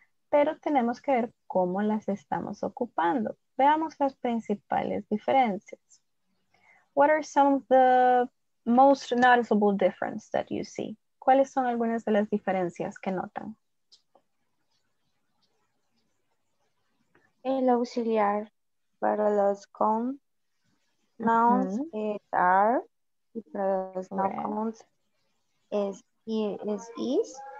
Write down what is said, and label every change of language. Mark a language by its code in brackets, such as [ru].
[es] Pero tenemos que ver cómo las estamos ocupando. Veamos las principales diferencias. [en] What are some of the most noticeable differences that you see? [es] ¿Cuáles son algunas de las diferencias que notan? El auxiliar para los count nouns es are, y para los nouns is.